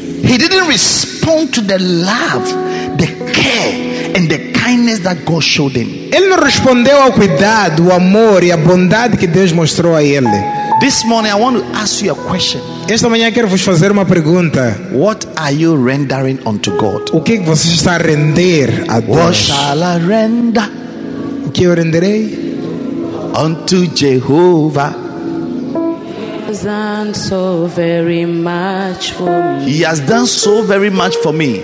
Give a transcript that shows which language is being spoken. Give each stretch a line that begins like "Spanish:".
English: He didn't respond to the love, the care, and the kindness that God showed him.
Portuguese: Ele não respondeu ao cuidado, o amor e a bondade que Deus mostrou a ele.
English: This morning I want to ask you a question.
Portuguese: Esta manhã quero vos fazer uma pergunta.
English: What are you rendering unto God?
Portuguese: O que você está a render a Deus?
English: What shall I render?
Portuguese: O que eu renderei?
English: Unto Jehovah. He has done so very much for me.